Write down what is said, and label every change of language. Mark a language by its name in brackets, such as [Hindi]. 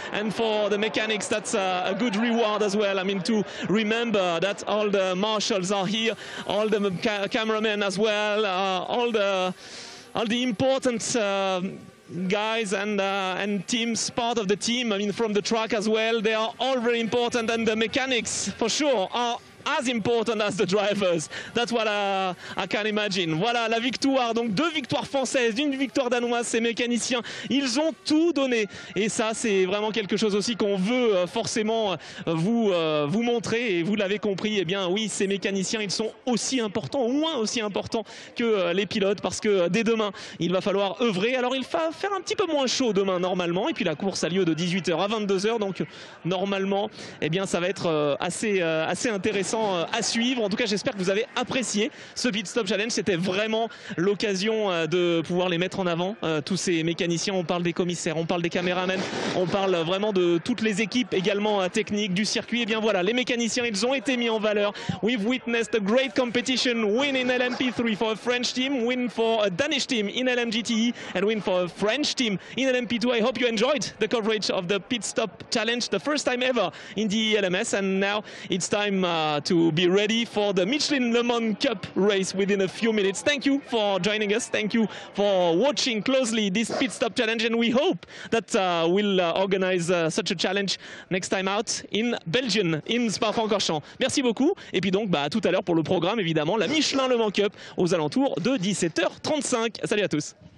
[English] And for the mechanics, that's a good reward as well. I mean, to remember that all the marshals are here, all the cameramen as well, all the important guys and teams, part of the team, I mean, from the track as well, they are all very important. And the mechanics, for sure, are as important as the drivers. That's what I can imagine. [French] Voilà la victoire, donc deux victoires françaises, une victoire danoise, ces mécaniciens, ils ont tout donné. Et ça, c'est vraiment quelque chose aussi qu'on veut forcément vous montrer. Et vous l'avez compris, eh bien oui, ces mécaniciens, ils sont aussi importants, au moins aussi importants que les pilotes, parce que dès demain, il va falloir œuvrer. Alors il va faire un petit peu moins chaud demain, normalement. Et puis la course a lieu de 18h à 22h, donc normalement, eh bien ça va être assez intéressant à suivre. En tout cas, j'espère que vous avez apprécié ce pit stop challenge. C'était vraiment l'occasion de pouvoir les mettre en avant, tous ces mécaniciens. On parle des commissaires, on parle des caméramans, on parle vraiment de toutes les équipes également techniques du circuit. Et bien voilà, les mécaniciens, ils ont été mis en valeur. [English] We've witnessed a great competition, win in LMP3 for a French team, win for a Danish team in LMGTE, and win for a French team in LMP2. I hope you enjoyed the coverage of the pit stop challenge, the first time ever in the ELMS. And now it's time to be ready for the Michelin Le Mans Cup race within a few minutes. Thank you for joining us. Thank you for watching closely this pit stop challenge. And we hope that we'll organize such a challenge next time out in Belgium, in Spa-Francorchamps. [French] Merci beaucoup. Et puis donc, bah, à tout à l'heure pour le programme, évidemment, la Michelin Le Mans Cup aux alentours de 17h35. Salut à tous.